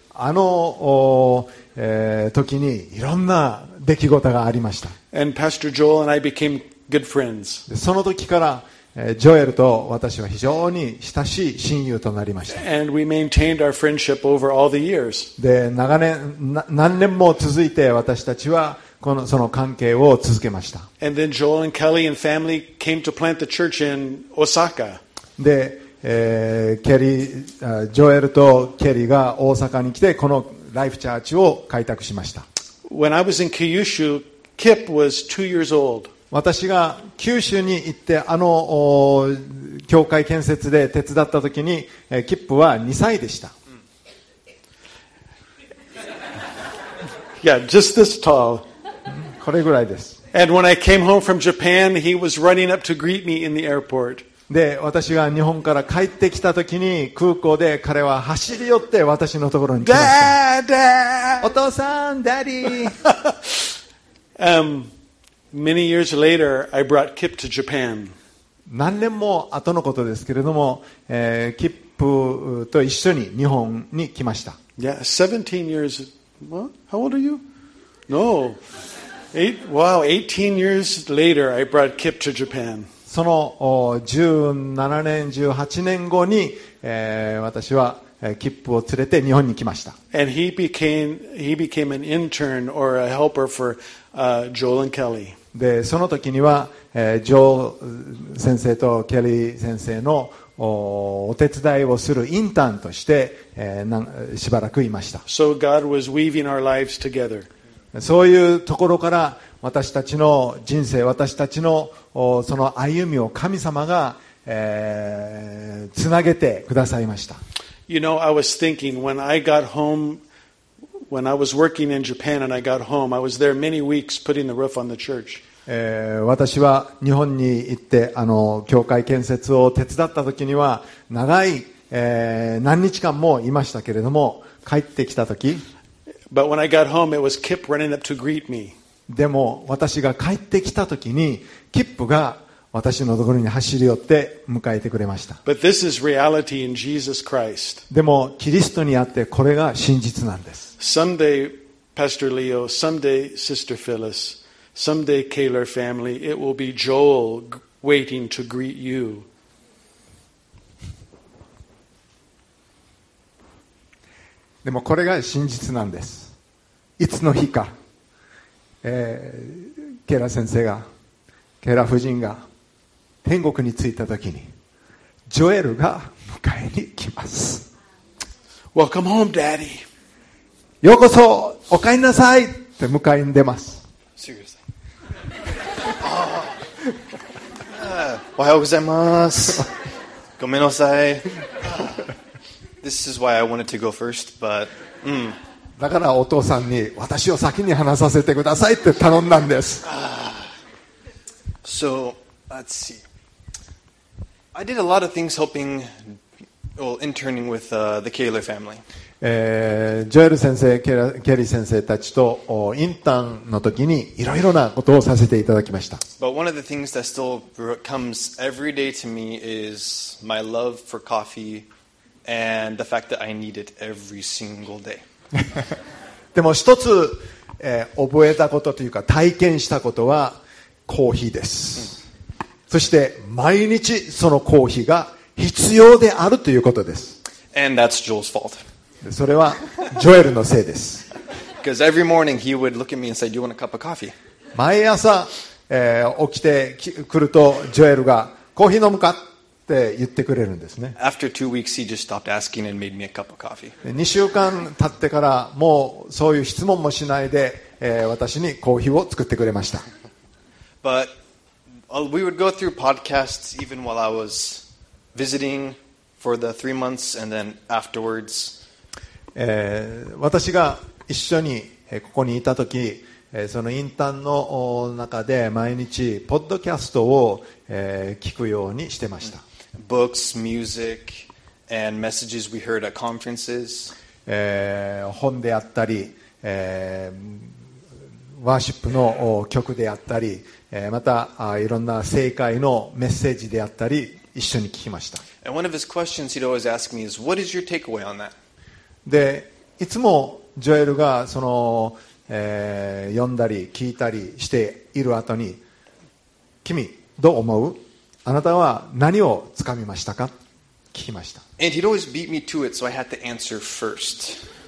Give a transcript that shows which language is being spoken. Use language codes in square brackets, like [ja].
[ja] あの時にいろんな出来事がありました。 [en] And Pastor Joel and I became good friends. [ja] その時から、ジョエルと私は非常に親しい親友となりました。 [en] And we maintained our friendship over all the years. [ja] で、長年、何年も続いて私たちはこのその関係を続けました。 [en] And then Joel and Kelly and family came to plant the church in Osaka. [ja] で、ケリー、ジョエルとケリーが大阪に来てこのライフチャーチを開拓しました。 [en] When I was in Kyushu, Kip was 2 years old. [ja] 私が九州に行ってあの教会建設で手伝った時にキップは2歳でした。 [en] Yeah, just this tall. [ja] これぐらいです。 [en] And when I came home from Japan, he was running up to greet me in the airport. [ja] で、私が日本から帰ってきた時に空港で彼は走り寄って私のところに来ました。 [en] Dad, [ja] お父さん、ダディ。 [en] Many years later, I brought Kip to Japan. [ja] 何年も後のことですけれども、キップと一緒に日本に来ました。 [en] Yeah, 17 years. What? How old are you? No. Wow, 18 years later, I brought Kip to Japan. [ja] その17年、18年後に、私はキップを連れて日本に来ました。 [en] And he became an intern or a helper for Joel and Kelly. [ja] でその時には、ジョー先生とケリー先生の お手伝いをするインターンとして、しばらくいました。 [en] So、God was weaving our lives together. [ja] そういうところから私たちの人生、私たちのその歩みを神様がつな、げてくださいました。 [en] You know, I was thinking when I got home, when I was working in Japan and I got home, I was there many weeks putting the roof on the church. [ja] 私は日本に行ってあの教会建設を手伝った時には長い、何日間もいましたけれども帰ってきた時 [en] But when I got home, it was Kip running up to greet me. [ja] でも私が帰ってきた時にキップが私のところに走り寄って迎えてくれました [en] But this is reality in Jesus Christ. [ja] でもキリストにあってこれが真実なんです [en] Someday Pastor Leo, someday Sister PhyllisSomeday, Kaler family, it will be Joel waiting to greet you. [ja] でもこれが真実なんです。いつの日か、ケラ先生が、ケラ夫人が天国に着いたときに、ジョエルが迎えに来ます。 [en] Welcome home, Daddy. [ja] ようこそ、お帰りなさいって迎えに出ます。 [en] Seriously. [ja] おはようございます。ごめんなさい。 [en] This is why I wanted to go first, but、 [ja] だからお父さんに私を先に話させてくださいって頼んだんです。 [en] So, let's see. I did a lot of things helping, well, interning with the Kaler family. [ja] ジョエル先生、ケリー先生たちとインターンの時にいろいろなことをさせていただきました。 [en] But one of the things that still comes every day to me is my love for coffee and the fact that I need it every single day. [ja] でも一つ、覚えたことというか体験したことはコーヒーです。そして毎日そのコーヒーが必要であるということです。 [en] And that's Joel's fault. [ja] それはジョエルのせいです。 [en] Because every morning he would look at me and say, "Do you want a cup of coffee?" [ja] 毎朝、起きてくるとジョエルがコーヒー飲むかって言ってくれるんですね。 [en] After 2 weeks, he just stopped asking and made me a cup of coffee. [ja] 2週間経ってからもうそういう質問もしないで、私にコーヒーを作ってくれました。 [en] But we would go through podcasts even while I was visiting for the 3 months, and then afterwards. [ja] 私が一緒にここにいたとき、そのインターンの中で毎日ポッドキャストを、聞くようにしてました。 [en] Books, music, and messages we heard at conferences. [ja] 本であったり、ワーシップの曲であったり、またいろんな聖会のメッセージであったり一緒に聞きました。 [en] And one of his questions he'd always ask me is, "What is your takeaway on that?" [ja] でいつもジョエルがその、読んだり聞いたりしている後に君どう思うあなたは何をつかみましたか？聞きました。 [en] And he'd always beat me to it, so I had to answer first.